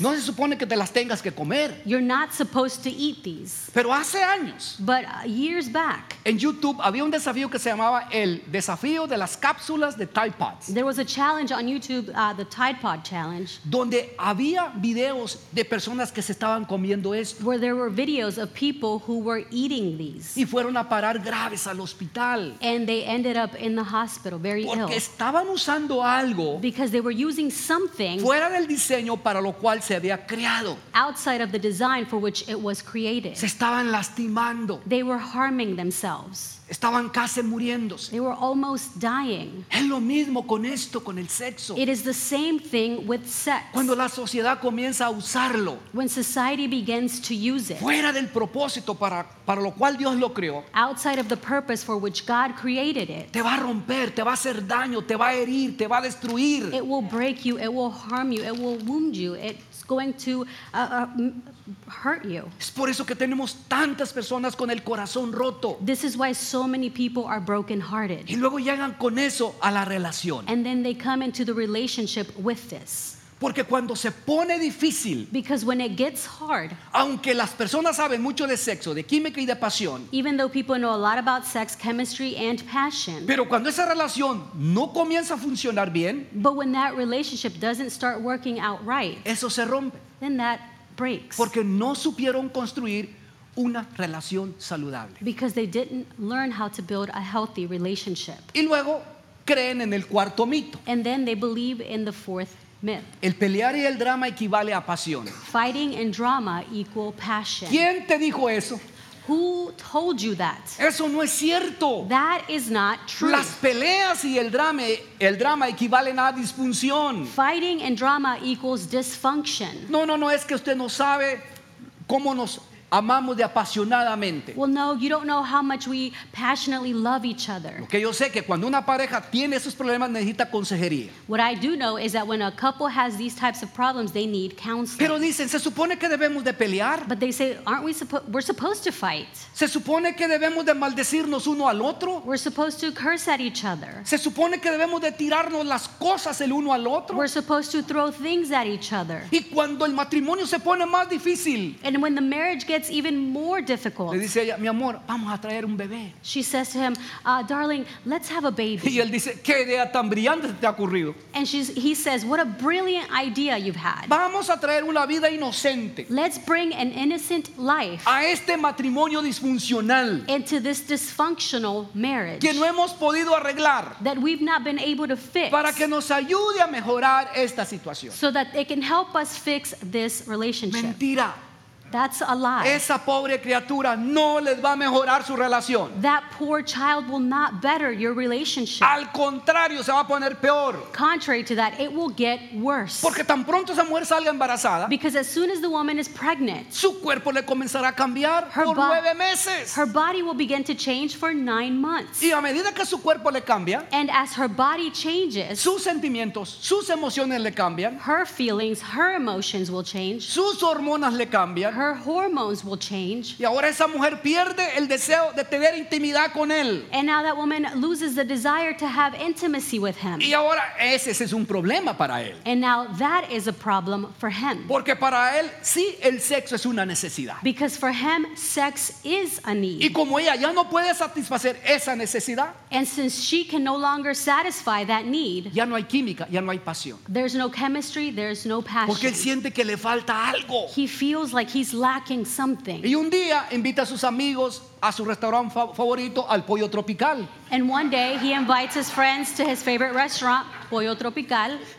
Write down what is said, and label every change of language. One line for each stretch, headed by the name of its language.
Spanish: No se supone que te las tengas que comer.
English: You're not supposed to eat these.
Spanish: Pero hace años,
English: but years back,
Spanish: en YouTube había un desafío que se llamaba el desafío de las cápsulas de Tide Pods.
English: There was a challenge on YouTube, the Tide Pod challenge,
Spanish: donde había videos de personas que se estaban comiendo esto,
English: where there were videos of people who were eating these,
Spanish: y fueron a parar graves al hospital,
English: and they ended up in the hospital very
Spanish: porque
English: ill,
Spanish: porque estaban usando algo,
English: because they were using something,
Spanish: fuera del diseño para lo cual se había creado,
English: outside of the design for which it was created.
Spanish: Se estaban lastimando,
English: they were harming themselves,
Spanish: estaban casi muriéndose,
English: they were almost dying.
Spanish: Es lo mismo con esto, con el sexo.
English: It is the same thing with sex.
Spanish: Cuando la sociedad comienza a usarlo,
English: when society begins to use it,
Spanish: fuera del propósito para lo cual Dios lo creó,
English: outside of the purpose for which God created it,
Spanish: te va a romper, te va a hacer daño, te va a herir, te va a destruir.
English: It will break you, it will harm you, it will wound you, it's going to hurt you.
Spanish: Es por eso que tenemos tantas personas con el corazón roto.
English: This is why so many people are brokenhearted.
Spanish: Y luego llegan con eso a la relación.
English: And then they come into the relationship with this.
Spanish: Porque cuando se pone difícil,
English: because when it gets hard,
Spanish: aunque las personas saben mucho de sexo, de química y de pasión,
English: even though people know a lot about sex, chemistry and passion,
Spanish: pero cuando esa relación no comienza a funcionar bien,
English: but when that relationship doesn't start working out right,
Spanish: eso se rompe.
English: Then that breaks.
Spanish: Porque no supieron construir una relación saludable.
English: Because they didn't learn how to build a healthy relationship.
Spanish: Y luego creen en el cuarto mito.
English: And then they believe in the fourth myth.
Spanish: El pelear y el drama equivale a pasión.
English: Fighting and drama equal passion.
Spanish: ¿Quién te dijo eso?
English: Who told you that?
Spanish: Eso no es cierto.
English: That is not true.
Spanish: Las peleas y el drama equivalen a disfunción.
English: Fighting and drama equals dysfunction.
Spanish: No, es que usted no sabe cómo nos amamos de apasionadamente.
English: Well, no, you don't know how much we passionately love each other.
Spanish: Lo que yo sé que cuando una pareja tiene esos problemas necesita consejería.
English: What I do know is that when a couple has these types of problems, they need counseling.
Spanish: Pero dicen, se supone que debemos de pelear.
English: But they say, we're supposed to fight.
Spanish: Se supone que debemos de maldecirnos uno al otro.
English: We're supposed to curse at each other.
Spanish: Se supone que debemos de tirarnos las cosas el uno al otro.
English: We're supposed to throw things at each other.
Spanish: Y cuando el matrimonio se pone más difícil,
English: and when the marriage gets even more difficult,
Spanish: le dice ella, mi amor, vamos a traer un bebé.
English: She says to him, darling, let's have a baby.
Spanish: Y él dice, qué idea tan brillante te ha ocurrido.
English: And he says, what a brilliant idea you've had.
Spanish: Vamos a traer una vida inocente.
English: Let's bring an innocent life.
Spanish: A este matrimonio disfuncional.
English: Into this dysfunctional marriage.
Spanish: Que no hemos podido arreglar.
English: That we've not been able to fix.
Spanish: Para que nos ayude a mejorar esta situación.
English: So that it can help us fix this relationship.
Spanish: Mentira.
English: That's a lie.
Spanish: Esa pobre criatura no les va a mejorar su relación.
English: That poor child will not better your relationship.
Spanish: Al contrario, se va a poner peor.
English: Contrary to that, it will get worse.
Spanish: Porque tan pronto esa mujer salga embarazada,
English: because as soon as the woman is pregnant,
Spanish: su cuerpo le comenzará a cambiar por 9 meses.
English: Her body will begin to change for 9 months.
Spanish: Y a medida que su cuerpo le cambia,
English: and as her body changes,
Spanish: sus sentimientos, sus emociones le cambian,
English: her feelings, her emotions will change,
Spanish: sus hormonas le cambian,
English: her hormones will change.
Spanish: Y ahora esa mujer pierde el deseo de tener intimidad con él.
English: And now that woman loses the desire to have intimacy with him.
Spanish: Y ahora ese es un problema para él.
English: And now that is a problem for him.
Spanish: Porque para él sí el sexo es una necesidad.
English: Because for him sex is a need.
Spanish: Y como ella ya no puede satisfacer esa necesidad,
English: and since she can no longer satisfy that need,
Spanish: ya no hay química, ya no hay pasión.
English: There's no chemistry, there's no passion.
Spanish: Porque él siente que le falta algo.
English: He feels like he's lacking something.
Spanish: Y un día invita a sus amigos a su restaurante favorito, al Pollo Tropical.
English: And one day he invites his friends to his favorite restaurant, Pollo Tropical.